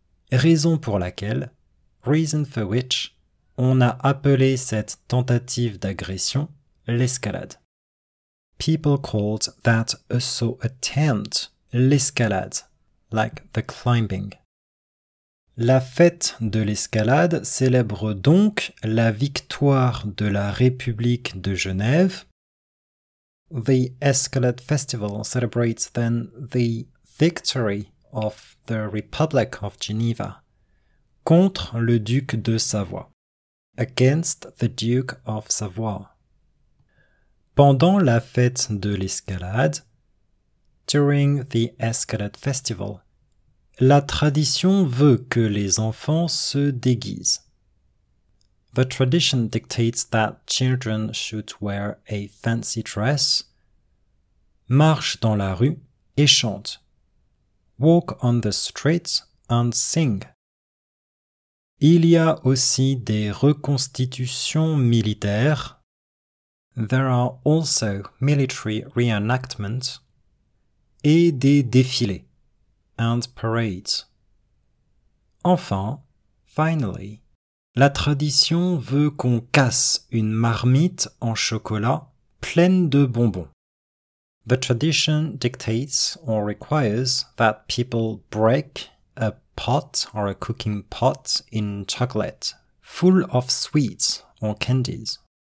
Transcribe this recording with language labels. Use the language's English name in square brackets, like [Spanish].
[French] Raison pour laquelle, [English] reason for which, [French] on a appelé cette tentative d'agression l'escalade. [English] People called that assault attempt l'escalade, like the climbing. [French] La fête de l'escalade célèbre donc la victoire de la République de Genève. [English] The Escalade Festival celebrates then the victory of the Republic of Geneva [French] contre le duc de Savoie, [English] against the Duke of Savoie. [French] Pendant la fête de l'escalade, [English] during the Escalade Festival, [French] la tradition veut que les enfants se déguisent. [English] The tradition dictates that children should wear a fancy dress, [French] marche dans la rue et chante, [English] walk on the streets and sing. [French] Il y a aussi des reconstitutions militaires. [English] There are also military reenactments [French] et des défilés [English] and parades. [French] Enfin, [English] finally, [French] la tradition veut qu'on casse une marmite en chocolat pleine de bonbons. [English] The tradition dictates or requires that people break a pot or a cooking pot in chocolate full of sweets or candies.